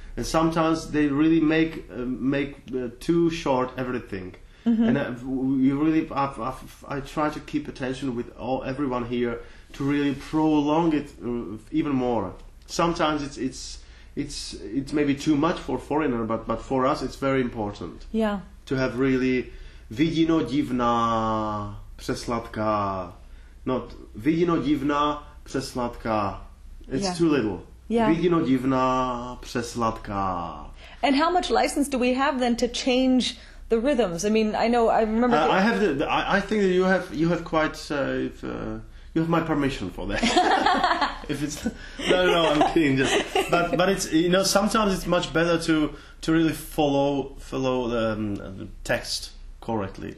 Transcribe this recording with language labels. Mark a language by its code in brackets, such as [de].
[en] And sometimes they really make too short everything. Mm-hmm. And I try to keep attention with everyone here to really prolong it even more. Sometimes it's it's maybe too much for foreigner, but for us it's very important. Yeah. [cs] To have really vidino divná přesladká. [en] Not [cs] vidino divná přesladká. [en] It's too little. Yeah. [cs] Vidino divná přesladká. [en] And how much license do we have then to change the rhythms? I mean, I know, I remember. I think that you have quite. You have my permission for that. If it's no, I'm kidding. Just, but it's, you know, sometimes it's much better to really follow the text correctly.